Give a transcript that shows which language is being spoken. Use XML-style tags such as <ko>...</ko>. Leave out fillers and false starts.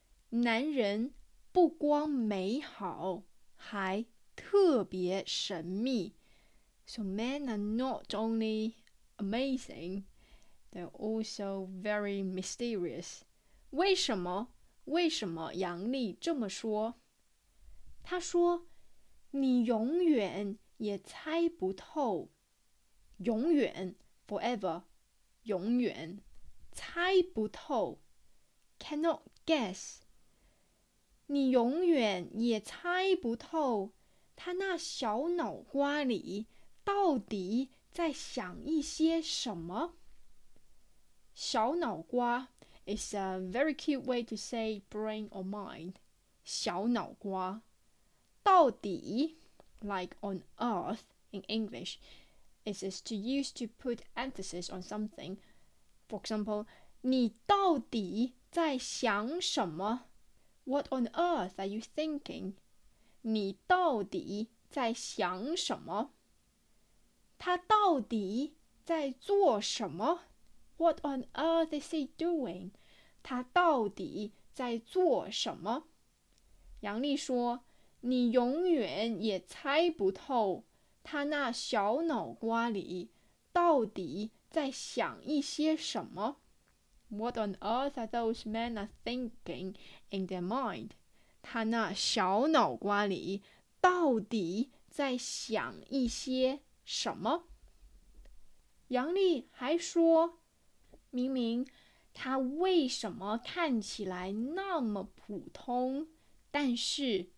<zh>男人不光美好,还特别神秘。</zh> <en>So men are not only amazing, they're also very mysterious.</en> <zh>为什么?为什么杨笠这么说？他说：“你永远也猜不透，永远 ，</zh> <en>forever，</en> <zh>永远猜不透 ，</zh> <en>cannot guess。</en> <zh>你永远也猜不透，他那小脑瓜里到底在想一些什么？小脑瓜。”</zh> <en>It's a very cute way to say brain or mind.</en> <zh>小脑瓜，到底</zh> <en>like on earth in English, it's to use to put emphasis on something. For example,</en> <zh>你到底在想什么?</zh> <en>What on earth are you thinking?</en> <zh>你到底在想什么? 他到底在做什么?</zh> <en>What on earth is he doing?</en> <zh>他到底在做什么？杨笠说：“你永远也猜不透他那小脑瓜里到底在想一些什么。”</zh> <en>What on earth are those men are thinking in their mind?</en> <zh>他那小脑瓜里到底在想一些什么？杨笠还说：“明明。” 他为什么看起来那么普通，但是</zh>